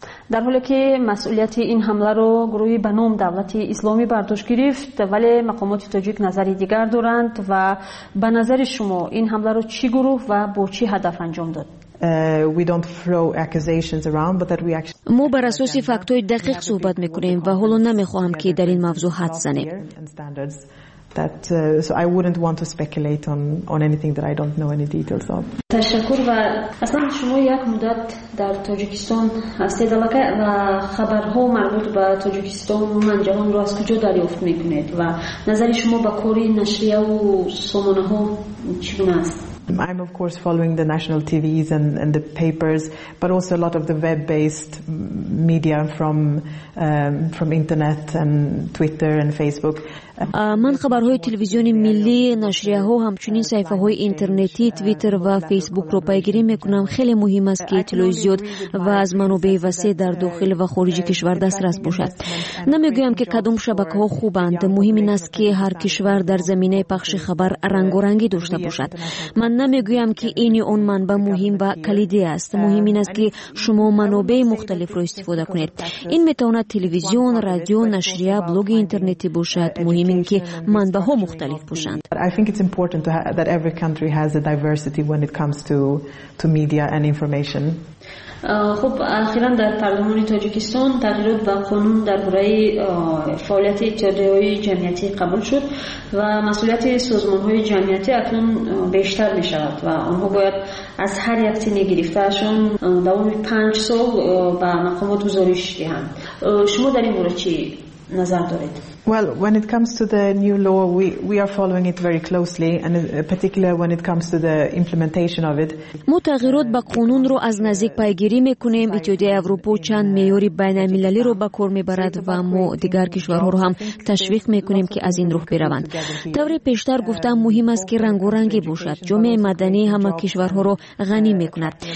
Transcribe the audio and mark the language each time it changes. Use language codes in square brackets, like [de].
[fa] در حالی که مسئولیت این حمله رو گروهی به نام دولت اسلامی برداشت گرفت، ولی مقامات تاجیک نظری دیگر دارند و به نظر شما این حمله رو چی گروه و با چی هدف انجام داد؟ [en] We don't throw accusations around, but that we actually. [fa] مو بر اساس فکت‌های دقیق صحبت میکنیم و حالا نمیخوام که در این موضوع حد زنیم. [en] That so I wouldn't want to speculate on anything that I don't know any details of. [fa] تشکر و اصلا شما یک مدت در تاجیکستان هستید علاقه و خبرها مربوط به تاجیکستان و من جهان رو از کجا دریافت میکنید و نظر شما به کاری نشریه و سامانه ها چگونه است؟ [en] I'm of course following the national TVs and the papers, but also a lot of the web-based media from internet and Twitter and Facebook. [fa] من خبرهای تلویزیون ملی، نشریه ها، همچنین صفحه های اینترنتی، تویتر و فیسبوک رو پیگیری میکنم. خیلی مهم است که اطلاع زیاد و از منابع وسیع در داخل و خارج کشور دسترس باشد. نمیگویم که کدام شبکه ها خوبند. مهم این است که هر کشور در زمینه پخش خبر رنگارنگی داشته باشد. من نمیگویم که اینی اون منبع مهم و کلیدی است. مهم این است که شما منابع مختلف رو استفاده کنید. این میتواند تلویزیون، رادیو، نشریه، بلوگ اینترنتی باشد. مهم این که منبع ها مختلف باشند. [en] I think it's important that every country has a diversity when it comes to media and information. [fa] خب اخیرا در پارلمان تاجیکستان تغییرات به قانون درباره فعالیت اتحادیه‌های جمعیتی قبول شد و مسئولیت سازمان‌های جمعیتی اکنون بیشتر می‌شود و آنها باید از هر یک سینه گرفته‌شان دوام 5 سال به مقامات گزارش دهند. شما در این مورد چی نظر دارید؟ [en] Well, when it comes to the new law, we are following it very closely, and particularly when it comes to the implementation of it. [fa] مو تغییرات به قانون رو از نزدیک پیگیری میکنیم. اتحادیه اروپا چند معیار بین المللی رو به کار میبرد و ما دیگر کشورها رو هم تشویق میکنیم که از این راه بروند. طور پیشتر گفتم مهم است که رنگارنگی باشد. جامعه مدنی همه کشورها رو غنی میکند.